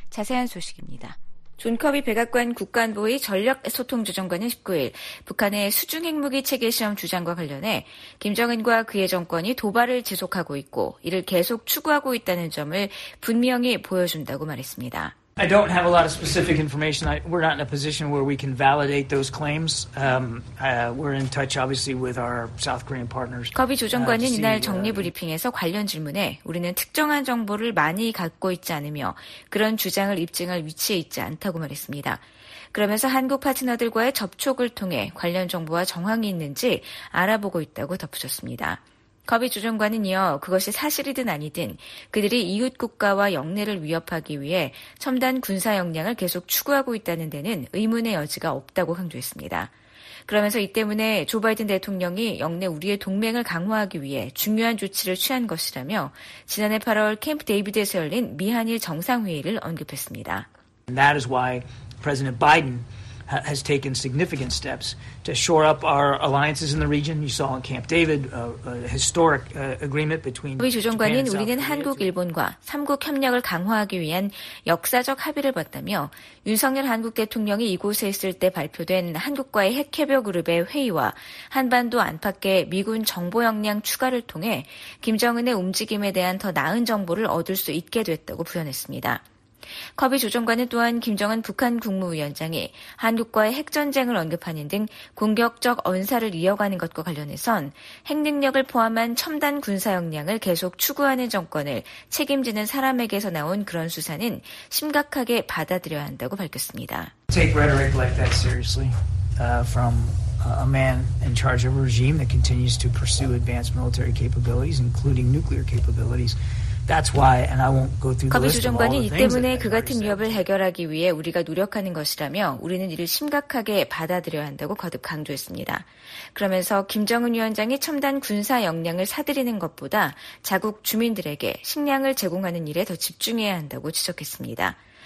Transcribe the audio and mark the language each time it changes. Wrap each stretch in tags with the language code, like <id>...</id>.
<ko>자세한 소식입니다. 존 커비 백악관 국간부의 전략소통조정관은 19일 북한의 수중핵무기 체계 시험 주장과 관련해 김정은과 그의 정권이 도발을 지속하고 있고 이를 계속 추구하고 있다는 점을 분명히 보여준다고 말했습니다.</ko> <en>I don't have a lot of specific information. We're not in a position where we can validate those claims. We're in touch, obviously, with our South Korean partners.</en> <ko>커비 조정관은 이날 정례 브리핑에서 관련 질문에 우리는 특정한 정보를 많이 갖고 있지 않으며 그런 주장을 입증할 위치에 있지 않다고 말했습니다. 그러면서 한국 파트너들과의 접촉을 통해 관련 정보와 정황이 있는지 알아보고 있다고 덧붙였습니다. 커비 조정관은 이어 그것이 사실이든 아니든 그들이 이웃 국가와 영내를 위협하기 위해 첨단 군사 역량을 계속 추구하고 있다는 데는 의문의 여지가 없다고 강조했습니다. 그러면서 이 때문에 조 바이든 대통령이 영내 우리의 동맹을 강화하기 위해 중요한 조치를 취한 것이라며 지난해 8월 캠프 데이비드에서 열린 미한일 정상회의를 언급했습니다.</ko> <en>That is why President Biden has taken significant steps to shore up our alliances in the region. You saw in Camp David a historic agreement between Japan and South Korea.</en> <ko>조정관은 우리는 한국, 일본과 3국 협력을 강화하기 위한 역사적 합의를 봤다며 윤석열 한국 대통령이 이곳에 있을 때 발표된 한국과의 핵협력 그룹의 회의와 한반도 안팎의 미군 정보 역량 추가를 통해 김정은의 움직임에 대한 더 나은 정보를 얻을 수 있게 됐다고 부연했습니다. 커비 조정관은 또한 김정은 북한 국무위원장이 한국과의 핵전쟁을 언급하는 등 공격적 언사를 이어가는 것과 관련해선 핵능력을 포함한 첨단 군사 역량을 계속 추구하는 정권을 책임지는 사람에게서 나온 그런 수사는 심각하게 받아들여야 한다고 밝혔습니다.</ko> <en>Take rhetoric like that seriously from a man in charge of a regime that continues to pursue advanced military capabilities, including nuclear capabilities. That's why, and I won't go through the list of all the things.</en> <ko>이 때문에 그 같은 위협을 해결하기 위해 우리가 노력하는 것이라며 우리는 이를 심각하게 받아들여야 한다고 거듭 강조했습니다. 그러면서 김정은 위원장이 첨단 군사 역량을 사들이는 것보다 자국 주민들에게 식량을 제공하는 일에 더 집중해야 한다고 지적했습니다.</ko>